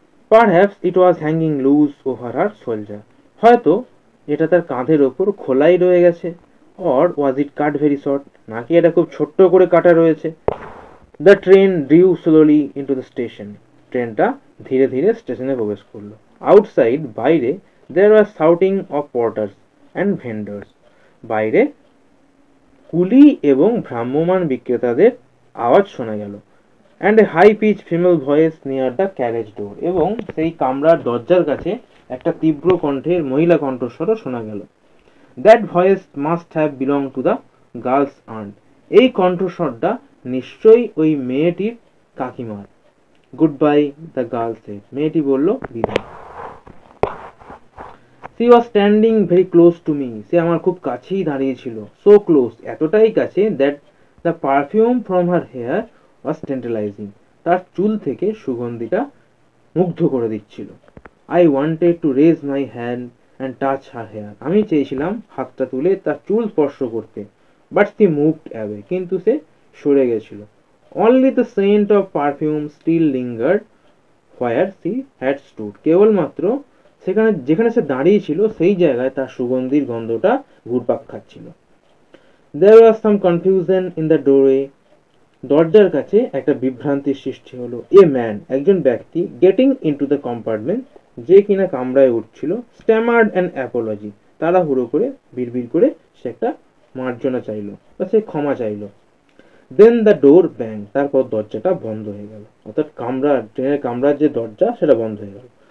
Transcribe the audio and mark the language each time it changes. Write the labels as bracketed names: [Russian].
[English] perhaps it was hanging loose over her shoulder, [Bangla] হয়তো এটা তার কাঁধের ওপর খোলাই রয়ে গেছে, [English] or was it cut very short, [Bangla] নাকি এটা খুব ছোট্ট করে কাটা রয়েছে। [English] the train drew slowly into the station, [Bangla] ট্রেনটা ধীরে ধীরে স্টেশনে প্রবেশ করলো। [English] outside, [Bangla] বাইরে [English] There was shouting of porters and vendors. [Bangla] বাইরে কুলি এবং ভ্রাম্যমান বিক্রেতাদের আওয়াজ শোনা গেল। [English] And a high-pitched female voice near the carriage door. [Bangla] এবং সেই কামরার দরজার কাছে একটা তীব্র কণ্ঠের মহিলা কণ্ঠস্বর শোনা গেল। [English] That voice must have belonged to the girl's aunt. [Bangla] এই কণ্ঠস্বরটা নিশ্চয়ই ওই মেয়েটির কাকিমার। [English] Goodbye, the girl said. [Bangla] মেয়েটি বলল, বিদায়। [English] She was standing very close to me. [Bangla] সে আমার খুব কাছেই দাঁড়িয়েছিল। [English] So close, [Bangla] এতটাই কাছে, [English] that the perfume from her hair was tantalizing. [Bangla] তার চুল থেকে সুগন্ধিটা মুগ্ধ করে দিচ্ছিল। [English] I wanted to raise my hand and touch her hair. [Bangla] আমি চেয়েছিলাম হাতটা তুলে তার চুল স্পর্শ করতে। [English] But she moved away. [Bangla] কিন্তু সে সরে গেছিল। [English] Only the scent of perfume still lingered where she had stood. [Bangla] কেবলমাত্র সেখানে যেখানে সে দাঁড়িয়েছিল সেই জায়গায় তার সুগন্ধির গন্ধটা ঘুরপাক খাচ্ছিল। [English] There was some confusion in the doorway. [Bangla] দরজার কাছে একটা বিভ্রান্তির সৃষ্টি হলো। [English] a man, [Bangla] একজন ব্যক্তি, [English] getting into the compartment, [Bangla] যে কিনা কামরায় উঠছিল, [English] stammered an apology, [Bangla] তাড়াহুড়ো করে বিড়বিড় করে সে একটা মার্জনা চাইল বা সে ক্ষমা চাইল। [English] then the door bang, [Bangla] তারপর দরজাটা বন্ধ হয়ে গেল। অর্থাৎ কামরা, ট্রেনের কামরার যে দরজা সেটা বন্ধ হয়ে গেল।